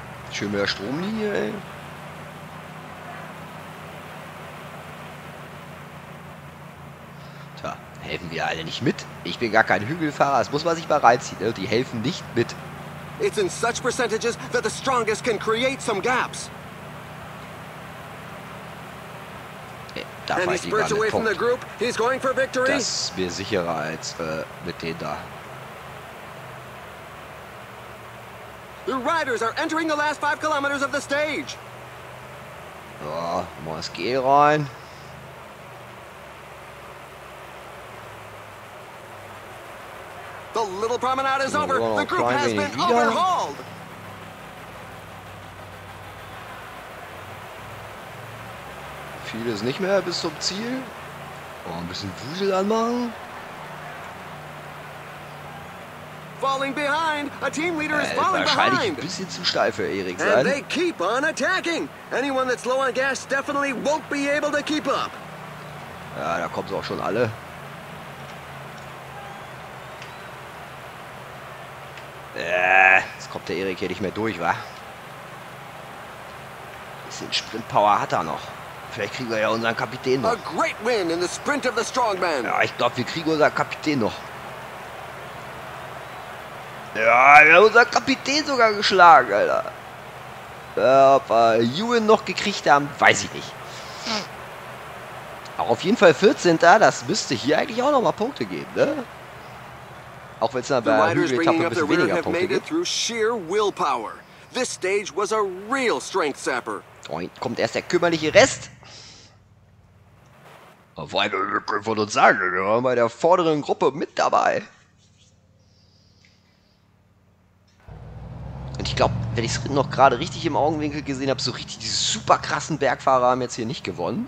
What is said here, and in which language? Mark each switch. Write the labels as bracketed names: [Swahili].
[German] Schön mehr Stromlinie, ey. Tja, helfen wir alle nicht mit? Ich bin gar kein Hügelfahrer, das muss man sich mal reinziehen, ne? Die helfen nicht mit. [English] It's in such percentages that the strongest can create some gaps. [German] Da fahr ich lieber an den Punkt. Das ist mir sicherer als mit denen da. [English] The riders are entering the last 5 kilometers of the stage. [German] Oh, muss geh rein. [English] The little promenade is over. The group has been overhauled. [German] Viel ist nicht mehr bis zum Ziel. Oh, ein bisschen Wusel anmachen. [English] Falling behind, a team leader is falling [German] wahrscheinlich [English] behind. [German] Ein bisschen zu steif für Erik sein. [English] And they keep on attacking. Anyone that's low on gas definitely won't be able to keep up. [German] Ja, da kommen sie auch schon alle. Jetzt kommt der Erik hier nicht mehr durch, wa? Bisschen Sprintpower hat er noch. Vielleicht kriegen wir ja unseren Kapitän noch. [English] A great win in the sprint of the strongman. [German] Ja, ich glaube, wir kriegen unseren Kapitän noch. Ja, wir haben unseren Kapitän sogar geschlagen, Alter. Ja, ob wir Ewan noch gekriegt haben, weiß ich nicht. Aber auf jeden Fall 14. Da, das müsste hier eigentlich auch nochmal Punkte geben, ne? Auch wenn es da bei Hügel-Etappe ein bisschen weniger Punkte gibt. [English] Through sheer willpower. This stage was a real strength sapper. [German] Oh, kommt erst der kümmerliche Rest. Weil wir können von uns sagen, wir waren bei der vorderen Gruppe mit dabei. Und ich glaube, wenn ich es noch gerade richtig im Augenwinkel gesehen habe, so richtig diese super krassen Bergfahrer haben jetzt hier nicht gewonnen.